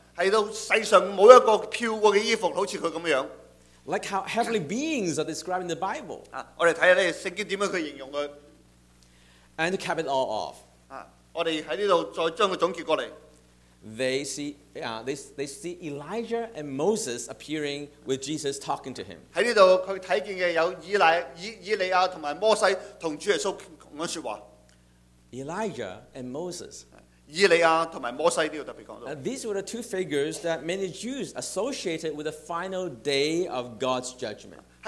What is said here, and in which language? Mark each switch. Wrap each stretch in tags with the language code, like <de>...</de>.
<yue>喺到世上冇一個漂過嘅衣服好似佢咁樣。</yue> <en>Like how heavenly beings are described in the Bible.</en> <yue>我哋睇下咧聖經點樣去形容佢。</yue> <en>And to cap it all off.</en> <yue>我哋喺呢度再將佢總結過嚟。</yue> <en>They see Elijah and Moses appearing with Jesus talking to him.</en> <yue>喺呢度佢睇見嘅有以利亞同埋摩西同主耶穌講緊説話。</yue> <en>Elijah and Moses.</en> <yue>以利亞同埋摩西呢度特別講到。</yue> <en>These were the two figures that many Jews associated with the final day of God's judgment.</en>